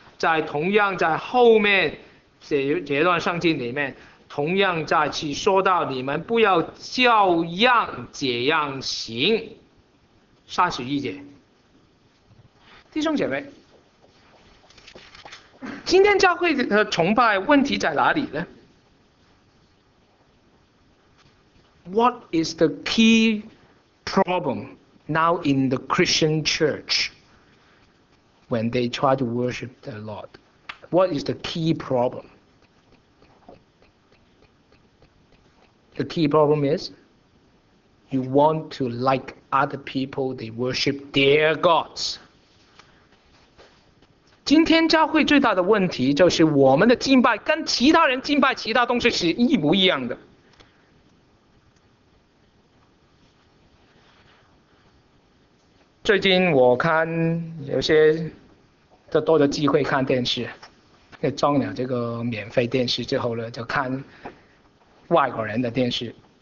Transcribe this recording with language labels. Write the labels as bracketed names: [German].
[Chinese] 在同样在后面这段圣经里面同样再次说到，你们不要叫样这样行。三十一节，弟兄姐妹，今天教会的崇拜问题在哪里呢？ [English] What is the key problem now in the Christian church when they try to worship the Lord? What is the key problem? The key problem is you want to like other people, they worship their gods. [Chinese] 今天教会最大的问题就是我们的敬拜跟其他人敬拜其他东西是一模一样的。最近我看有些都多了机会看电视，装了这个免费电视之后呢，就看外国人的电视。